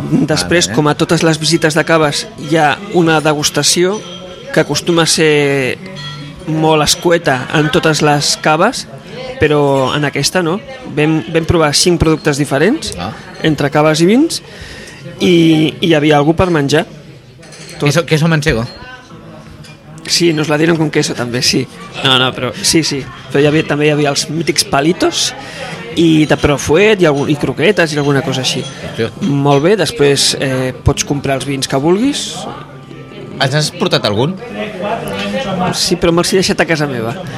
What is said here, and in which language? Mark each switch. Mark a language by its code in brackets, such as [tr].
[ca] Després, com a totes les visites de caves, hi ha una degustació que acostuma a ser molt escueta en totes les caves, però en aquesta no. Vam provar 5 productes diferents, entre caves i vins, i hi havia algú per menjar. [es] Queso manchego. Sí, nos la dieron con queso també, sí. [ca] No, però sí. Però hi havia els mítics palitos, i de profuet, i croquetes, i alguna cosa així. Sí. Molt bé, després pots comprar els vins que vulguis. Has portat algun? Sí, però me'ls he deixat a casa meva.